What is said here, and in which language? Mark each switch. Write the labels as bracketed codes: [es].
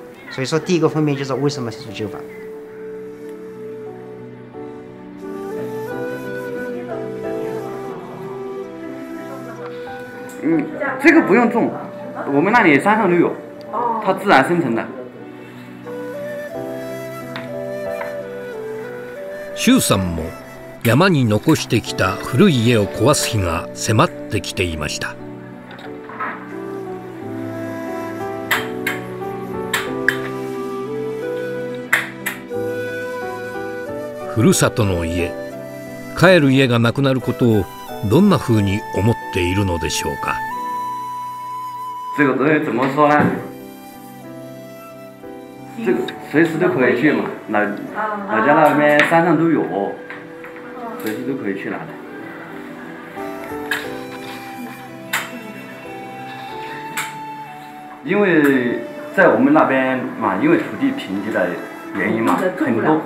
[zh] 所以说，第一个方面就是为什么提出救法。这个不用种，我们那里山上都有，它自然生成的。 [ja] 周さんも山に残してきた古い家を壊す日が迫ってきていました。ふるさとの家、帰る家がなくなることをどんなふうに思っているのでしょうか。 [zh] 这个东西怎么说呢？这个随时都可以去嘛，老家那边山上都有，随时都可以去拿的。因为在我们那边嘛，因为土地贫瘠的原因嘛，很多